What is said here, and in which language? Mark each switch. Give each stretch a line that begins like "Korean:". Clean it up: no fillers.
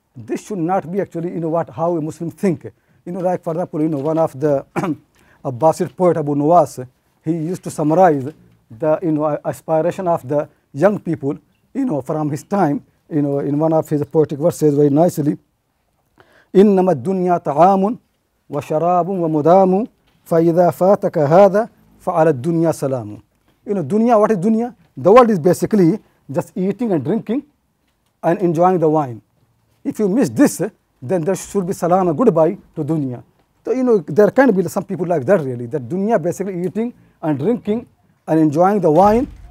English: This should not be actually, you know, what how a Muslim think. You know, like for example, you know, one of the Abbasid poet Abu Nuwas, he used to summarize the, you know, aspiration of the young people, you know, from his time, you know, in one of his poetic verses very nicely.
Arabic: إنما الدنيا طعام وشراب ومدام فإذا فاتك هذا فعلى الدنيا سلام.
English: You know, dunya, what is dunya? The world is basically just eating and drinking and enjoying the wine. If you miss this, then there should be salam, a goodbye to dunya. So, you know, there can be some people like that really, that dunya basically eating and drinking and enjoying the wine.